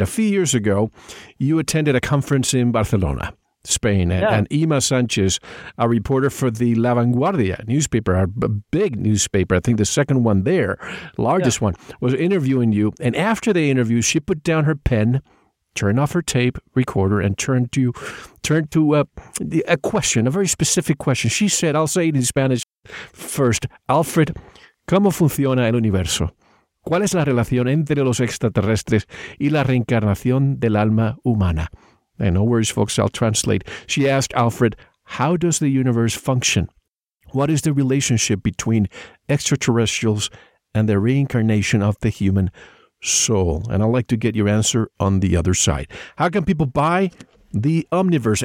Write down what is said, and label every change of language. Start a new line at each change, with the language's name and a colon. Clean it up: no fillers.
English: A few years ago, you attended a conference in Barcelona, Spain, and Ima Sanchez, a reporter for the La Vanguardia newspaper, a big newspaper, I think the second one there, largest one, was interviewing you. And after the interview, she put down her pen, turned off her tape recorder, and turned to a question, a very specific question. She said, I'll say it in Spanish first.
Spanish: Alfred, ¿cómo funciona el universo? ¿Cuál es la relación entre los extraterrestres y la reencarnación del alma humana?
English: And no worries, folks, I'll translate. She asked Alfred, how does the universe function? What is the relationship between extraterrestrials and the reincarnation of the human soul? And I'd like to get your answer on the other side. How can people buy the Omniverse?